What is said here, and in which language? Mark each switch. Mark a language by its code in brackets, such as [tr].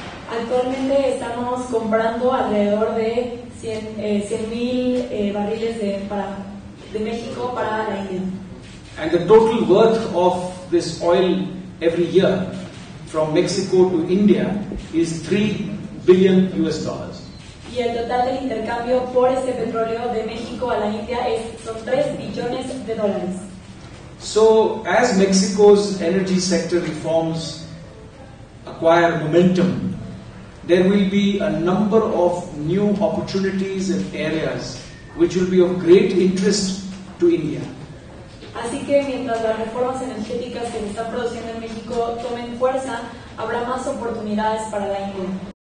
[es] Actualmente estamos comprando alrededor de 100,000 barriles de México para la India. [en] And the total worth of this oil every year from Mexico to India is $3 billion. [es] Y el total del intercambio por ese petróleo de México a la India son 3 billones de dólares. [en] So, as Mexico's energy sector reforms acquire momentum, there will be a number of new opportunities and areas which will be of great interest to India. [es] Así que mientras las reformas energéticas que se están produciendo en México tomen fuerza, habrá más oportunidades para la India.